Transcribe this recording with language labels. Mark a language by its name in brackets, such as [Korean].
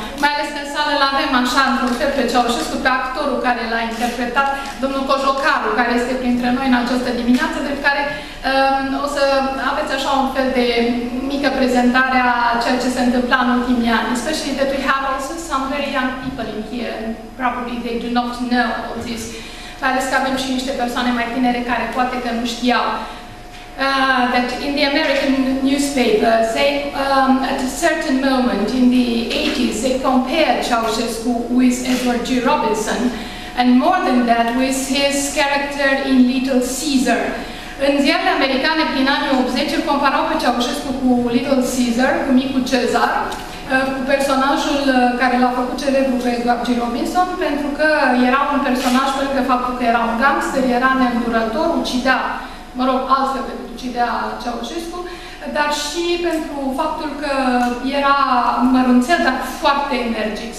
[Romanian] Mai ales în sală l-avem așa într-un fel pe Ceaușescu, pe actorul care l-a interpretat, domnul Cojocaru, care este printre noi în această dimineață, de care o să aveți așa un fel de mică prezentare a ceea ce se întâmplă în ultimii ani. [English] Especially that we have also some very young people in here, and probably they do not know all this. [Romanian] Mai ales că avem și niște persoane mai tinere care poate că nu știau. [English] That in the American newspaper, say, at a certain moment in the 80s, they compared Ceaușescu with Edward G. Robinson, and more than that, with his character in Little Caesar. [Romanian] În ziarele americane, prin anii 80, îl comparau pe Ceaușescu cu Little Caesar, cu micul Cezar, cu personajul care l-a făcut celebru pe Edward G. Robinson, pentru că era un personaj, pe lângă faptul că era un gangster, era neîndurător, ucidea, mă rog, altfel pentru ucidea Ceaușescu, dar și pentru faptul că era mărunțel, dar foarte energic.